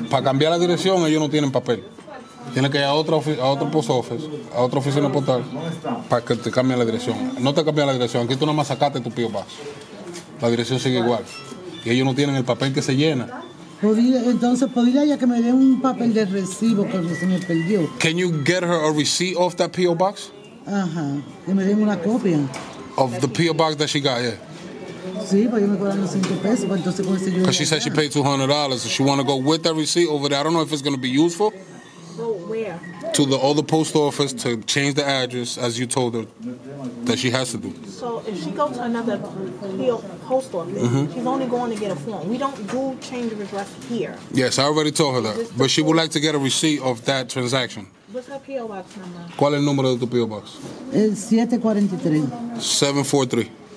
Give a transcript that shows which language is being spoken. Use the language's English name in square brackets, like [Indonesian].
[Spanish] Para cambiar la dirección, ellos no tienen papel. Tiene que ir a otro post office, a otra oficina postal, para que te cambien la dirección. No te cambien la dirección, aquí tú nada más sacaste tu P.O. Box. La dirección sigue igual. Y ellos no tienen el papel que se llena. Entonces, ¿podría ya que me dé un papel de recibo que se me perdió? [English] Can you get her a receipt of that P.O. Box? [Spanish] Ajá, que me den una copia. [English] Of the P.O. Box that she got, yeah. [Spanish] Sí, pero yo me cobran los 5 pesos, pues entonces con ese yo... [English] Because she said she paid $200, so she want to go with that receipt over there. I don't know if it's going to be useful. Where? To the other post office to change the address, as you told her that she has to do. So if she goes to another post office, mm-hmm. she's only going to get a form. We don't do change of address here. Yes, I already told her that. But she would like to get a receipt of that transaction. What's her P.O. box number? [Spanish] ¿Cuál es el número de tu P.O. box? El 743. 743.